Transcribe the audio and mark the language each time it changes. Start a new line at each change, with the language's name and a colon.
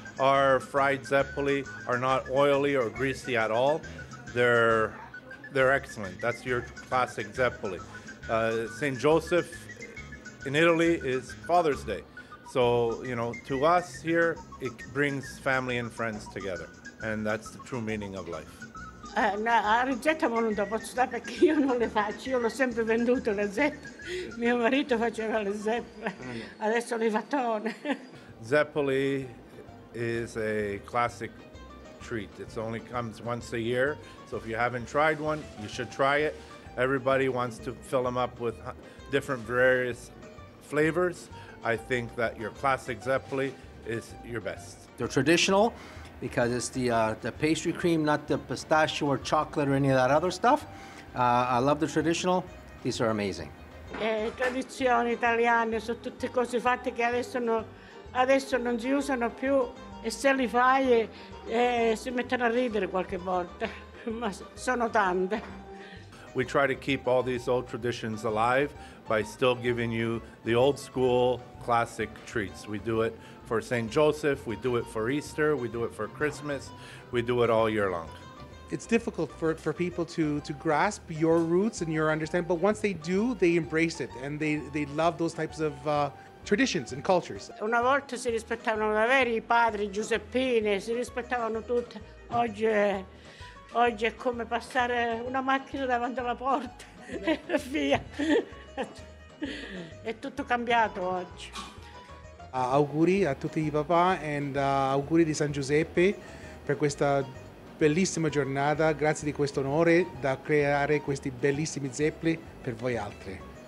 English: Our fried zeppole are not oily or greasy at all. They're excellent. That's your classic zeppole. St. Joseph in Italy is Father's Day. So, you know, to us here, it brings family and friends together. And that's the true meaning of life.
Italian: No, la ricetta non la posso dare perché io non le faccio. Io l'ho sempre venduto le zeppole. Mio marito faceva le zeppole. Adesso le fattone.
English: Zeppole is a classic treat. It only comes once a year. So if you haven't tried one, you should try it. Everybody wants to fill them up with different various flavors, I think that your classic Zeppole is your best. They're traditional because it's the pastry cream, not the pistachio or chocolate or any of that other stuff. I love the traditional. These are amazing.
Italian: Tradizioni italiane sono tutte cose fatte che adesso non si usano più e se li fai si mettono a ridere qualche volta, ma sono tante.
English: We try to keep all these old traditions alive by still giving you the old school classic treats. We do it for St. Joseph, we do it for Easter, we do it for Christmas, we do it all year long. It's difficult for people to grasp your roots and your understanding, but once they do, they embrace it and they love those types of traditions and cultures.
Italian: Una volta si rispettavano davvero I padri Giuseppini, si rispettavano tutti. Oggi è come passare una macchina davanti alla porta e via. È tutto cambiato oggi. Auguri a tutti I papà and auguri di San Giuseppe per questa bellissima giornata, grazie di questo onore da creare questi bellissimi zeppoli per voi altri.